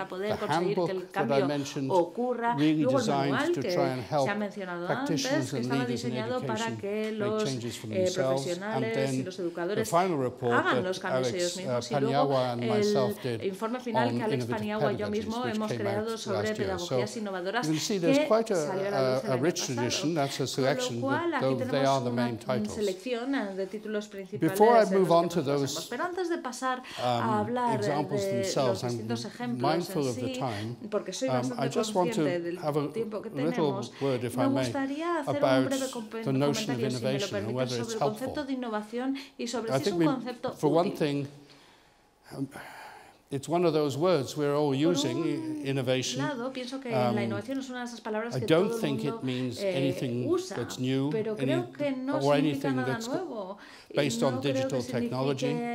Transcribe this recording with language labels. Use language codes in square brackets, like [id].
[en] the handbook that I mentioned, really designed to try and help practitioners and leaders in education make changes for themselves, and then the final report that Alex Paniagua and myself did on innovative pedagogies, which came out last year. So you can see there's quite a rich tradition, that's a selection, though they are the main titles. Before I move on to those [es] pero antes de pasar a hablar de los distintos ejemplos en sí, porque soy bastante consciente del tiempo que tenemos, me gustaría hacer un breve comentario, si me lo permite, sobre el concepto de innovación y sobre si es un concepto útil. [en] For one thing, it's one of those words we're all using, innovation. I don't think it means anything that's new or anything that's based on digital technology.